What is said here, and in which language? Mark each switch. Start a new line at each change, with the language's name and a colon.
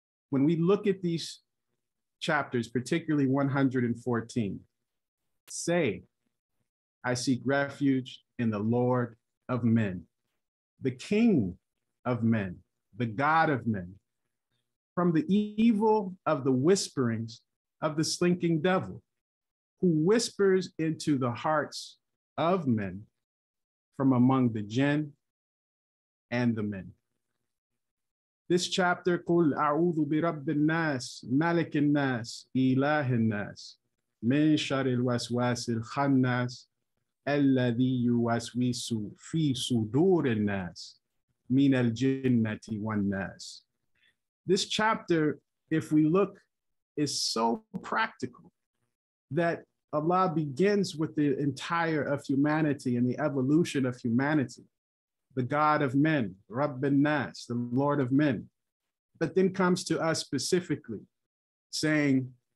English: When we look at these chapters, particularly 114, say, I seek refuge in the Lord of men, the King of men, the God of men, from the evil of the whisperings of the slinking devil, who whispers into the hearts of men from among the jinn and the men. This chapter,
Arabic: قُلْ أَعُوذُ بِرَبِّ النَّاسِ مَلِكِ النَّاسِ إِلَهِ النَّاسِ مِنْ شَرِ الْوَسْوَاسِ الْخَنَّاسِ الَّذِي يُوَسْوِسُ فِي صُدُورِ النَّاسِ مِنَ الْجِنَّةِ وَالنَّاسِ.
English: This chapter, if we look, is so practical that Allah begins with the entire of humanity and the evolution of humanity, the God of men, Rabbin Nas, the Lord of men, but then comes to us specifically saying,